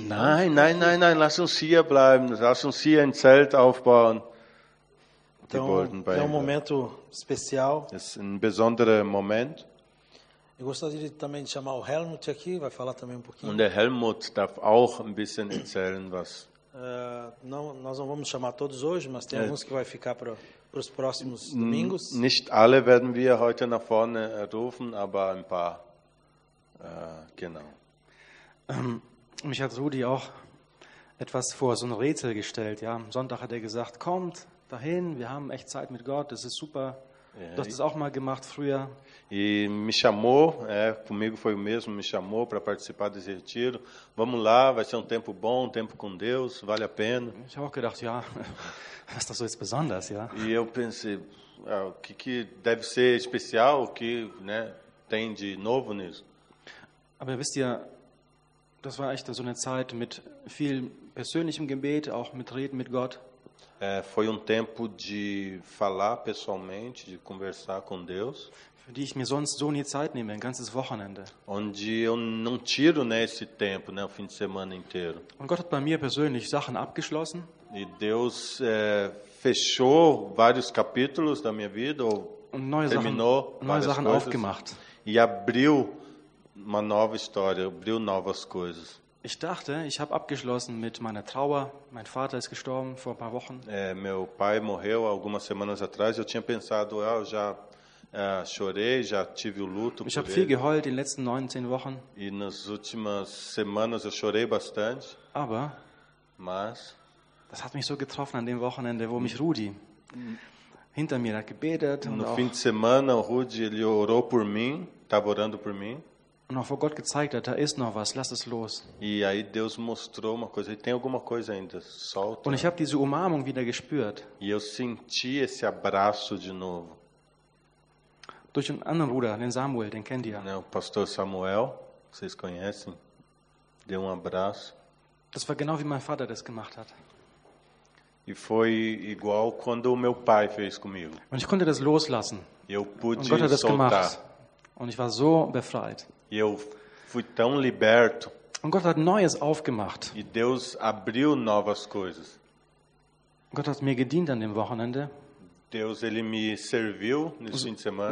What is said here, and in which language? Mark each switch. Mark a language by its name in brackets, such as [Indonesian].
[German] Nein, lass uns hier bleiben, lass uns hier ein Zelt aufbauen. [Portuguese] Então, é um momento especial. É um [German] besonderer Moment. [Portuguese] Eu gostaria também de chamar o Helmut aqui, vai falar também um pouquinho. [German] Und der Helmut darf auch ein bisschen erzählen, was. [Portuguese] Não, nós não vamos chamar todos hoje, mas tem alguns que vai ficar para os próximos domingos. [German] Nicht alle werden wir heute nach vorne rufen, aber ein paar. Genau. Mich hat Rudi auch etwas vor so ein Rätsel gestellt. Ja, am Sonntag hat er gesagt, kommt dahin, wir haben echt Zeit mit Gott, das ist super. Du hast das auch mal gemacht früher. [Portuguese] E me chamou, comigo foi o mesmo, me chamou para participar desse retiro. Vamos lá, vai ser tempo bom, tempo com Deus, vale a pena. [German] Ich habe auch gedacht, ja, ist das so jetzt besonders, ja? [Portuguese] E eu pensei, o que deve ser especial, o que, né, tem de novo nisso? [German] Aber wisst ihr, das war echt so eine Zeit mit viel persönlichem Gebet, auch mit Reden mit Gott. [Portuguese] Foi tempo de falar pessoalmente, de conversar com Deus. [German] Für die ich mir sonst so nie Zeit nehme, ein ganzes Wochenende. [Portuguese] Onde eu não tiro, né, esse tempo, né, o fim de semana inteiro. [German] Und Gott hat bei mir persönlich Sachen abgeschlossen. [Portuguese] E Deus fechou vários capítulos da minha vida, ou [German] und neue [Portuguese] terminou [German] Sachen, neue Sachen [Portuguese] coisas, [German] aufgemacht. [Portuguese] E abriu uma nova história, abriu novas coisas. [German] Ich dachte, ich habe abgeschlossen mit meiner Trauer. Mein Vater ist gestorben vor ein paar Wochen. [Portuguese] Meu pai morreu algumas semanas atrás. Eu tinha pensado, eu já chorei, já tive o luto. [German] Ich habe viel geheult in den letzten 19 Wochen. [Portuguese] E nas últimas semanas eu chorei bastante. [German] Aber, [Portuguese] mas, [German] das hat mich so getroffen an dem Wochenende, wo mich Rudi hinter mir hat gebetet. [Portuguese] No fim de semana, o Rudi, ele orou por mim, estava orando por mim. [German] Und auch vor Gott gezeigt hat, da ist noch was, lass es los. [Portuguese] E aí Deus mostrou uma coisa, tem alguma coisa ainda, solta. [German] Und ich habe diese Umarmung wieder gespürt. [Portuguese] E eu senti esse abraço de novo. [German] Durch einen anderen Bruder, den Samuel, den kennt ihr. [Portuguese] O pastor Samuel, vocês conhecem, deu abraço. [German] Das war genau wie mein Vater das gemacht hat. [Portuguese] E foi igual quando o meu pai fez comigo. [German] Und ich konnte das loslassen. [Portuguese] Eu pude [German] Und Gott hat das [Portuguese] soltar. [German] Gemacht. Und ich war so befreit. [Portuguese] E eu fui tão liberto. [German] Und Gott hat Neues aufgemacht. [Portuguese] E Deus abriu novas coisas. [German] Gott hat mir gedient an dem Wochenende. [Portuguese] Deus, ele me serviu nesse fim de semana.